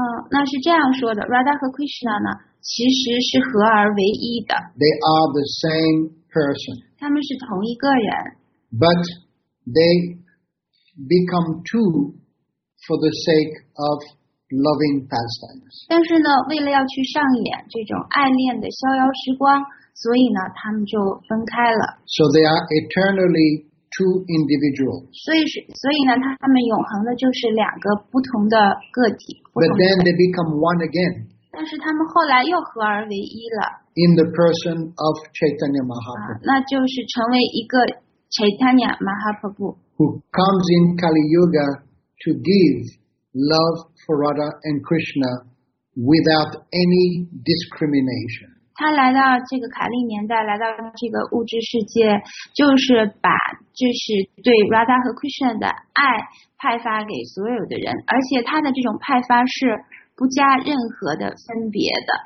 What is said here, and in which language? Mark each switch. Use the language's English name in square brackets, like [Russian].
[Chinese] 那是这样说的 ，Radha 和 Krishna 呢，其实是合而为一的。 [English] They are the same person. [Chinese] 他们是同一个人。 [English] But they become two for the sake of loving pastimes. [Chinese] 但是呢，为了要去上演这种爱恋的逍遥时光，所以呢，他们就分开了。 [English] So they are eternally. Two individuals. [Chinese] 所以呢，他们永恒的就是两个不同的个体。 [English] But then they become one again. [Chinese] 但是他们后来又合而为一了。 [English] In the person of Chaitanya Mahaprabhu. [Chinese] 那就是成为一个 Chaitanya Mahaprabhu. [English] Who comes in Kali Yuga to give love for Radha and Krishna without any discrimination. [Chinese] 他来到这个卡利年代，来到这个物质世界，就是把就是对 Radha 和 Krishna 的爱派发给所有的人，而且他的这种派发是不加任何的分别的。